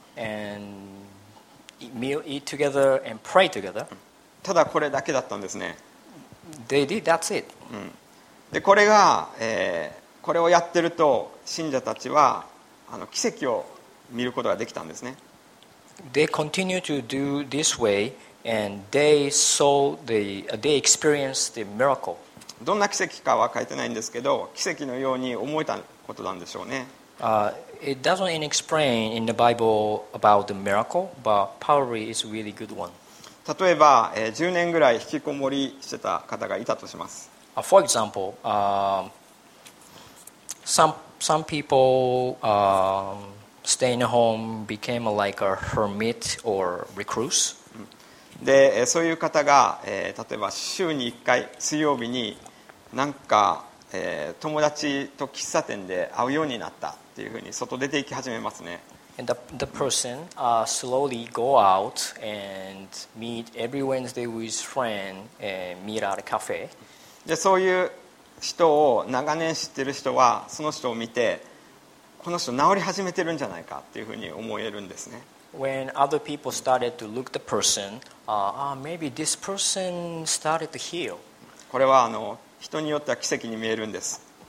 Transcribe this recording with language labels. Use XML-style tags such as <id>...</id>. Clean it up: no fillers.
<en>And meal eat together and pray together.</en> <ja>ただこれだけだったんですね。</ja> <en>They did, that's it.、</en> <ja>うん、でこれが、これをやってると信者たちはあの奇跡を見ることができたんですね。</ja> <en>They continue to do this way and they saw the, they experienced the miracle.</en> <ja>どんな奇跡かは書いてないんですけど、奇跡のように思えたことなんでしょうね。</ja> <en>It doesn't explain in the Bible about the miracle, but probably it's a really good one.</en> <ja>例えば、10年ぐらい引きこもりしてた方がいたとします。</ja> <en>For example, some people staying home became like a hermit or recluse.</en> <ja>で、そういう方が、例えば週に1回水曜日になんか、友達と喫茶店で会うようになったっていうふうに外出て行き始めますね。</ja> <en>And the person slowly go out and meet every Wednesday with friend meet at a cafe.</en> <ja>でそういう人を長年知ってる人はその人を見てこの人治り始めてるんじゃないかっていうふうに思えるんですね。</ja> <en>When other people started to look the person, maybe this person started to heal.</en> <ja>これは人によっては奇跡に見えるんです。</ja>